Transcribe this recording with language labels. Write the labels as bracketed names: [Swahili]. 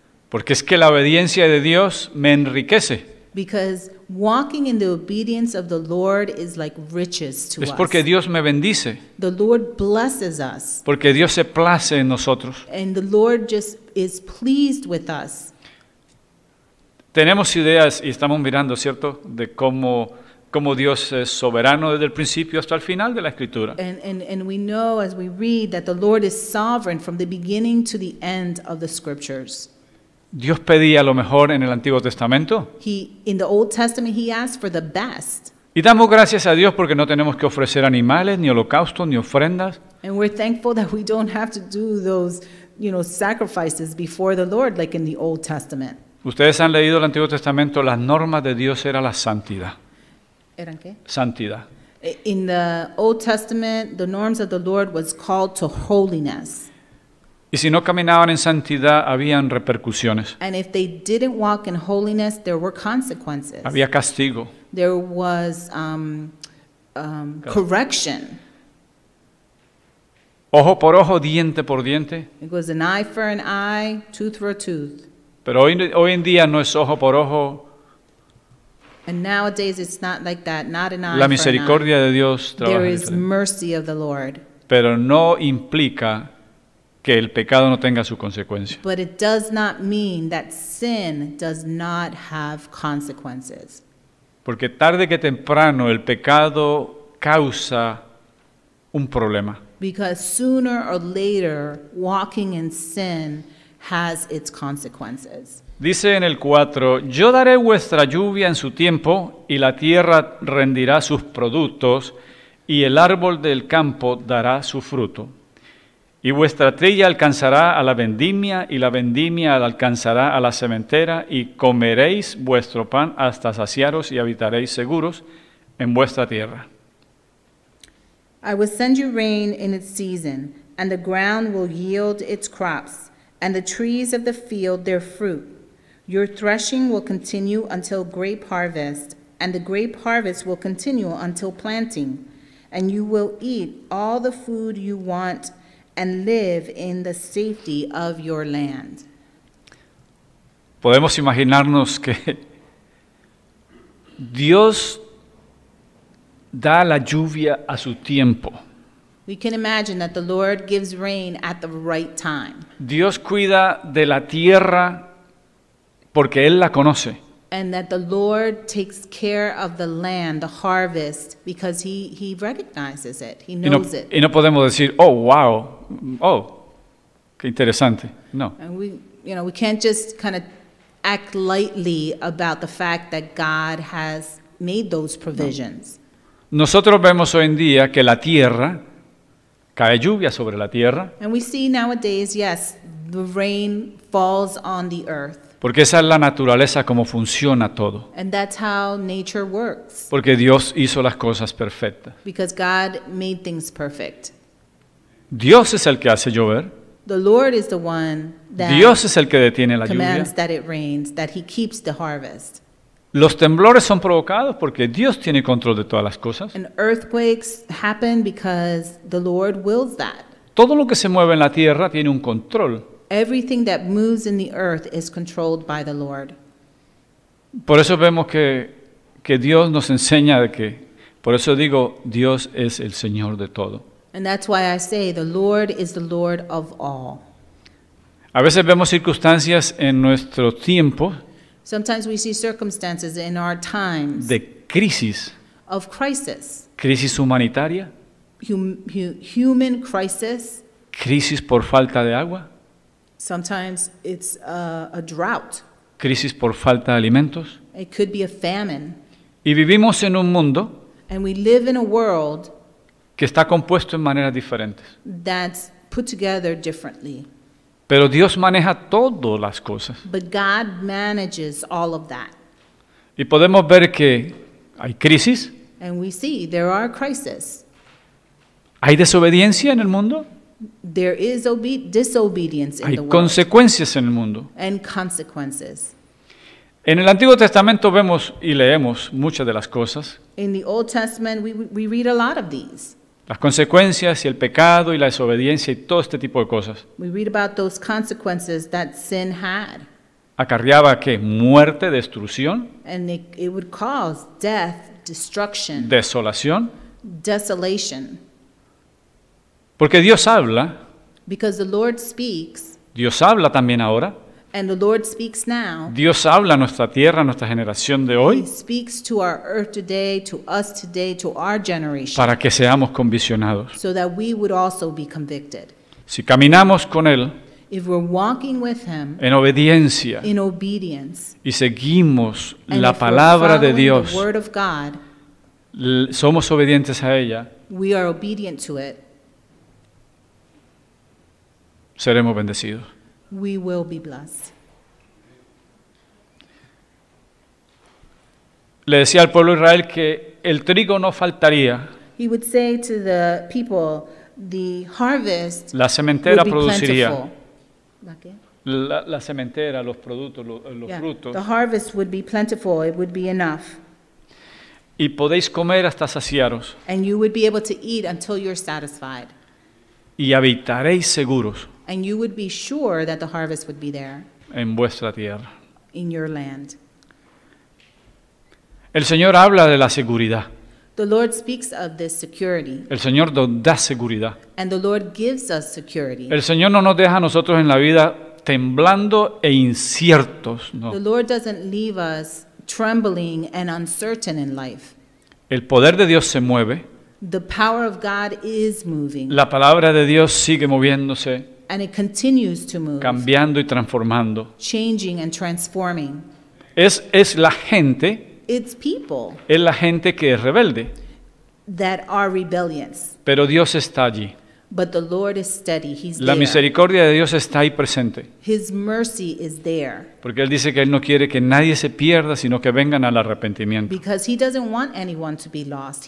[Spanish] Porque es que la obediencia de Dios me enriquece. [English] Because walking in the obedience of the Lord is like riches to us. [Spanish] Es porque Dios me bendice. [English] The Lord blesses us. [Spanish] Porque Dios se place en nosotros. [English] And the Lord just is pleased with us. [Spanish] Tenemos ideas y estamos mirando, ¿cierto?, de cómo Dios es soberano desde el principio hasta el final de la Escritura. [English] And we know as we read that the Lord is sovereign from the beginning to the end of the Scriptures. [Spanish] Dios pedía lo mejor en el Antiguo Testamento. [English] In the Old Testament, he asked for the best. [Spanish] Y damos gracias a Dios porque no tenemos que ofrecer animales, ni holocaustos, ni ofrendas. [English] And we're thankful that we don't have to do those, you know, sacrifices before the Lord like in the Old Testament. [Spanish] Ustedes han leído el Antiguo Testamento, las normas de Dios era la santidad. ¿Eran qué? Santidad. [English] In the Old Testament, the norms of the Lord was called to holiness. [Spanish] Y si no caminaban en santidad, habían repercusiones. [English] And if they didn't walk in holiness, there were consequences. [Spanish] Había castigo. [English] There was correction. [Spanish] Ojo por ojo, diente por diente. [English] It was an eye for an eye, tooth for a tooth. [Spanish] Pero hoy en día no es ojo por ojo. [English] And nowadays it's not like that, not an eye for an eye. [Spanish] La misericordia de Dios trabaja diferente. [English] There is mercy of the Lord. [Spanish] Pero no implica que el pecado no tenga su consecuencia. [English] But it does not mean that sin does not have consequences. [Spanish] Porque tarde que temprano el pecado causa un problema. [English] Because sooner or later walking in sin has its consequences. [Spanish] Dice en el 4, yo daré vuestra lluvia en su tiempo y la tierra rendirá sus productos y el árbol del campo dará su fruto. Y vuestra trilla alcanzará a la vendimia, y la vendimia alcanzará a la sementera, y comeréis vuestro pan hasta saciaros, y habitaréis seguros en vuestra tierra. [English] I will send you rain in its season, and the ground will yield its crops, and the trees of the field their fruit. Your threshing will continue until grape harvest, and the grape harvest will continue until planting, and you will eat all the food you want and live in the safety of your land. [Spanish] Podemos imaginarnos que Dios da la lluvia a su tiempo. [English] We can imagine that the Lord gives rain at the right time. [Spanish] Dios cuida de la tierra porque Él la conoce. [English] And that the Lord takes care of the land, the harvest, because he recognizes it. He knows it. [Spanish] Y no podemos decir, oh, wow, oh, Qué interesante. No. [English] And we, you know, we can't just kind of act lightly about the fact that God has made those provisions. [Spanish] No. Nosotros vemos hoy en día que la tierra cae lluvia sobre la tierra. [English] And we see nowadays, yes, the rain falls on the earth. [Spanish] Porque esa es la naturaleza como funciona todo. [English] And that's how nature works. [Spanish] Porque Dios hizo las cosas perfectas. [English] Because God made things perfect. [Spanish] Dios es el que hace llover. [English] The Lord is the one that [Spanish] Dios es el que detiene la [English] commands [Spanish] lluvia. [English] That it rains, that he keeps the harvest. [Spanish] Los temblores son provocados porque Dios tiene control de todas las cosas. [English] And earthquakes happen because the Lord wills that. [Spanish] Todo lo que se mueve en la tierra tiene un control. [English] Everything that moves in the earth is controlled by the Lord. [Spanish] Por eso vemos que Dios nos enseña de que, por eso digo, Dios es el Señor de todo. [English] And that's why I say the Lord is the Lord of all. [Spanish] A veces vemos circunstancias en nuestro tiempo. [English] Sometimes we see circumstances in our times. [Spanish] De crisis. [English] Of crisis. [Spanish] Crisis humanitaria. [English] Human crisis. [Spanish] Crisis por falta de agua. [English] Sometimes it's a drought. [Spanish] Crisis por falta de alimentos. [English] It could be a famine. [Spanish] Y vivimos en un mundo. [English] And we live in a world. [Spanish] Que está compuesto en maneras diferentes. [English] That's put together differently. [Spanish] Pero Dios maneja todas las cosas. [English] But God manages all of that. [Spanish] Y podemos ver que hay crisis. [English] And we see there are crises. [Spanish] Hay desobediencia en el mundo. [English] There is disobedience in [Spanish] Hay [English] the world. [Spanish] Consecuencias en el mundo. [English] And consequences. [Spanish] En el Antiguo Testamento vemos y leemos muchas de las cosas. [English] In the Old Testament we read a lot of these. [Spanish] Las consecuencias y el pecado y la desobediencia y todo este tipo de cosas. [English] We read about those consequences that sin had. [Spanish] Acarreaba qué? Muerte, destrucción. [English] And it would cause death, destruction. [Spanish] Desolación. [English] Desolation. [Spanish] Porque Dios habla. [English] Because the Lord speaks. [Spanish] Dios habla también ahora. [English] And the Lord speaks now. [Spanish] Dios habla a nuestra tierra, a nuestra generación de hoy. [English] He speaks to our earth today, to us today, to our generation. [Spanish] Para que seamos convicionados. [English] So that we would also be convicted. [Spanish] Si caminamos con Él. [English] If we're walking with Him. [Spanish] En obediencia. [English] In obedience. [Spanish] Y seguimos la palabra de Dios. [English] The word of God. [Spanish] Somos obedientes a ella. [English] We are obedient to it. [Spanish] Seremos bendecidos. [English] We will be blessed. [Spanish] Le decía al pueblo de Israel que el trigo no faltaría. [English] He would say to the people, the harvest [Spanish] la sementera [English] would be [Spanish] produciría. [English] Plentiful. [Spanish] La sementera, los productos, los yeah. frutos. [English] The harvest would be plentiful, it would be enough. [Spanish] Y podéis comer hasta saciaros. [English] And you would be able to eat until you're satisfied. [Spanish] Y habitaréis seguros. [English] And you would be sure that the harvest would be there. [Spanish] En vuestra tierra. [English] In your land. [Spanish] El Señor habla de la seguridad. [English] The Lord speaks of this security. [Spanish] El Señor nos da seguridad. [English] And the Lord gives us security. [Spanish] El Señor no nos deja a nosotros en la vida temblando e inciertos. No. [English] The Lord doesn't leave us trembling and uncertain in life. [Spanish] El poder de Dios se mueve. [English] The power of God is moving. [Spanish] La palabra de Dios sigue moviéndose. [English] And it continues to move. [Spanish] Cambiando y transformando. [English] Changing and transforming. [Spanish] Es la gente. [English] It's people. [Spanish] Es la gente que es rebelde. [English] That are rebellious. [Spanish] Pero Dios está allí. [English] But the Lord is steady. He's [Spanish] La misericordia [English] there. [Spanish] De Dios está ahí presente. [English] His mercy is there. [Spanish] Porque Él dice que Él no quiere que nadie se pierda, sino que vengan al arrepentimiento. [English] Because He doesn't want anyone to be lost.